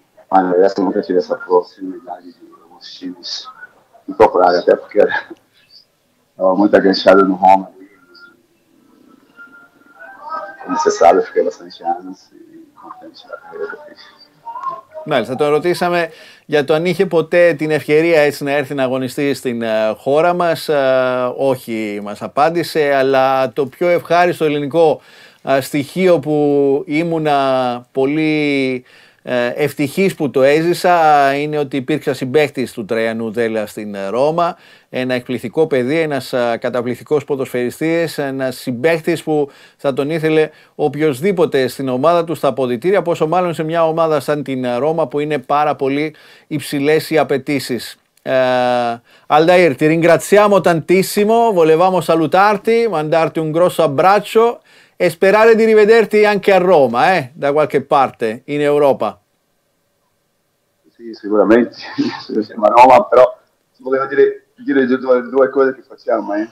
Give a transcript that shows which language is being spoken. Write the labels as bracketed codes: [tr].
[pt] Mas na Grécia nunca tive essa possibilidade de alguns times me procurarem, até porque era. Estava muito agachado no Roma. Como você sabe, eu fiquei bastante anos e contente da carreira que eu fiz. [el] Μάλιστα, τον ρωτήσαμε για το αν είχε ποτέ την ευκαιρία έτσι να έρθει να αγωνιστεί στην χώρα μας. Όχι, μας απάντησε, αλλά το πιο ευχάριστο ελληνικό στοιχείο που ήμουνα πολύ ευτυχής που το έζησα είναι ότι υπήρξα συμπαίχτης του Τραϊανού Δέλεα στην Ρώμα. Ένα εκπληκτικό παιδί, ένας καταπληκτικός ποδοσφαιριστής, ένας συμπαίχτης που θα τον ήθελε οποιοδήποτε στην ομάδα του, στα αποδυτήρια, πόσο μάλλον σε μια ομάδα σαν την Ρώμα που είναι πάρα πολύ υψηλές οι απαιτήσεις. [it] Αλταΐρ, τη ringraziamo tantissimo, volevamo salutarti, mandarti un grosso abbraccio. E sperare di rivederti anche a Roma, da qualche parte in Europa. Sì, sicuramente. Siamo a Roma, però volevo dire due cose che facciamo,